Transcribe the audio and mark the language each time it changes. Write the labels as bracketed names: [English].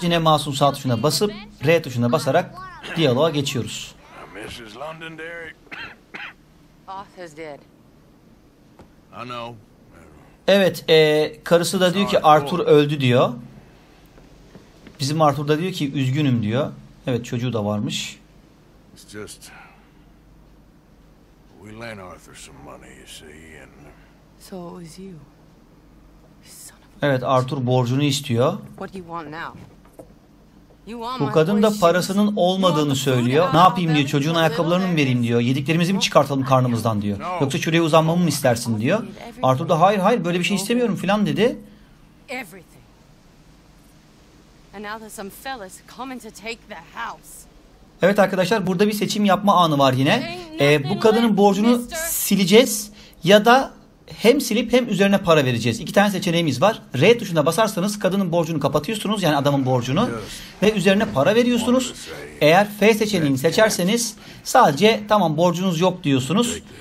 [Turkish] Yine masum sağ tuşuna basıp R tuşuna basarak diyaloğa geçiyoruz. [English] Mrs. Londonderry. Arthur's dead. I know. [Turkish] Evet, karısı da diyor ki Arthur öldü diyor. Bizim Arthur da diyor ki üzgünüm diyor. Evet, çocuğu da varmış. [English] We lent Arthur some money, you see, and so it was you. [Turkish] Evet, Arthur borcunu istiyor. [English] What do you want now? You want my... [Turkish] Bu kadın da parasının olmadığını söylüyor. Ne yapayım diyor, çocuğun ayakkabılarını mı vereyim diyor. Yediklerimizi mi çıkartalım karnımızdan diyor. Yoksa şuraya uzanmamı mı istersin diyor. Arthur da hayır hayır, böyle bir şey istemiyorum falan dedi. [English] And now there's some fellas coming to take the house. [Turkish] Evet arkadaşlar, burada bir seçim yapma anı var yine. Bu kadının borcunu sileceğiz ya da hem silip hem üzerine para vereceğiz. İki tane seçeneğimiz var. R tuşuna basarsanız kadının borcunu kapatıyorsunuz, yani adamın borcunu, ve üzerine para veriyorsunuz. Eğer F seçeneğini seçerseniz sadece tamam borcunuz yok diyorsunuz.